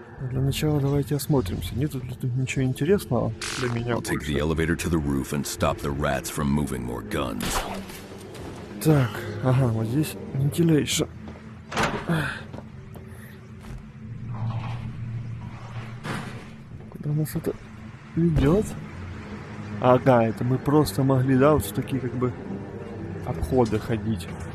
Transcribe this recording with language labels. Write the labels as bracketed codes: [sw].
[ru] Для начала давайте осмотримся. Нет тут ничего интересного для меня. [en] I'll take the elevator to the roof and stop the rats from moving more guns. [ru] Так, ага, вот здесь вентиляция. Куда нас это ведет? Ага, это мы просто могли, да, вот в такие как бы обходы ходить.